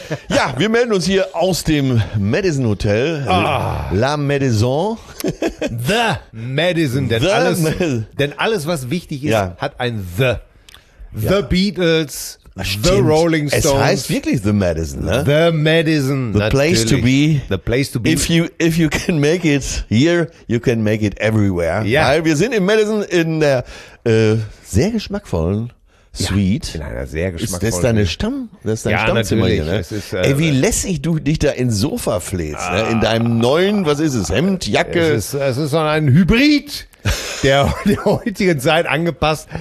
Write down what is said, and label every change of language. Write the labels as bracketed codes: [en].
[de] Ja, wir melden uns hier aus dem Madison Hotel. [fr] La Madison. [en] The Madison. [de] Denn, denn alles, was wichtig ist, hat ein The. [en] The Beatles. The Rolling Stones. [de] Es heißt wirklich The Madison, ne? [en] The Madison. The place to be. The place to be. If you can make it here, you can make it everywhere. [de] Ja. Weil wir sind in Madison in der sehr geschmackvollen Sweet. Ja, in einer sehr geschmackvollen. Ist das deine Stamm? Das ist dein Stammzimmer natürlich. Hier, ne? Ey, wie lässig du dich da ins Sofa flehst, ne? In deinem neuen, was ist es, Hemd, Jacke? Es ist so ein Hybrid der heutigen Zeit angepasst.